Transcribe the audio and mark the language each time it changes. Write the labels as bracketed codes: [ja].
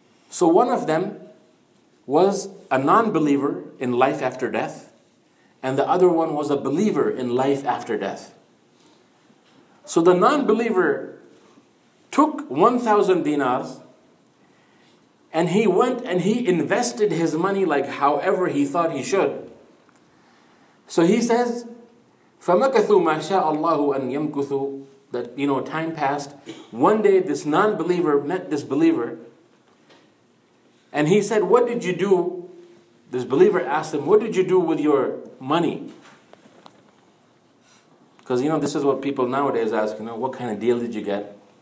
[en] So one of them was a non-believer in life after death, and the other one was a believer in life after death. So the non-believer took 1,000 dinars, and he went and he invested his money like however he thought he should. So he says, [ar] فَمَكَثُوا مَا شَاءَ اللَّهُ أَنْ يَمْكُثُوا. [en] That, you know, time passed. One day this non-believer met this believer, and he said, what did you do? This believer asked him, what did you do with your money? Because, you know, this is what people nowadays ask, you know, what kind of deal did you get?